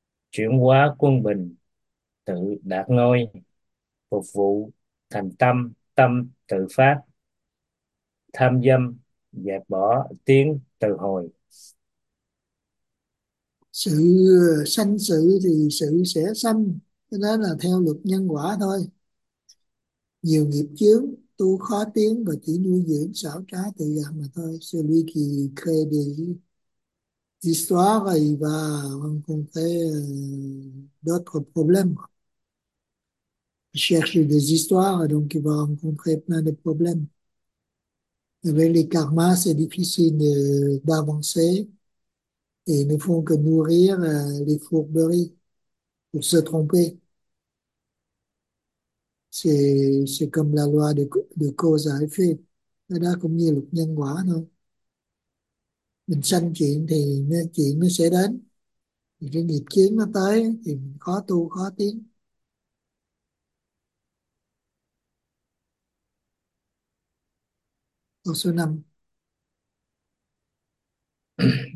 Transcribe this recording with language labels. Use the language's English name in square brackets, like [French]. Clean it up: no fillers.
[Vietnamese] Chuyển hóa quân bình, tự đạt ngôi, phục vụ thành tâm, tâm tự phát, tham dâm dẹp bỏ, tiếng từ hồi. Sự sanh sự thì sự sẽ sanh, cái đó là theo luật nhân quả thôi. Nhiều nghiệp chướng tu khó tiến và chỉ nuôi dưỡng xảo trá tự gạt mà thôi. [French] Celui qui crée des histoires il va rencontrer d'autres problèmes. Il cherche des histoires donc il va rencontrer plein de problèmes. Avec les karmas, c'est difficile d'avancer. Et ils ne font que nourrir les fourberies pour se tromper. C'est comme la loi de cause à effet. Et là, comme il y a le nhân quả, non? [Vietnamese] mình sanh chuyện thì chuyện nó sẽ đến, thì cái nghiệp chướng nó tới thì mình khó tu khó tiến. Câu số 5.